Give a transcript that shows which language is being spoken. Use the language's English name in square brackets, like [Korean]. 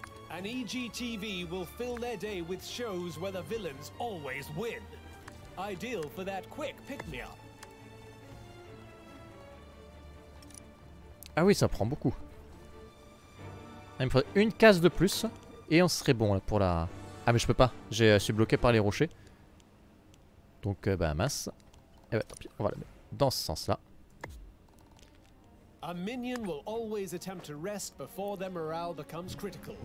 [English] An EGTV will fill their day with shows where the villains always win. Ideal for that quick pick-me-up. [French] Ah oui, ça prend beaucoup. Il me faudrait une case de plus et on serait bon pour la... Ah mais je peux pas, je suis bloqué par les rochers. Donc bah mince. Et bah tant pis, on va la mettre dans ce sens là. [English] A minion will always attempt to rest before their morale becomes critical.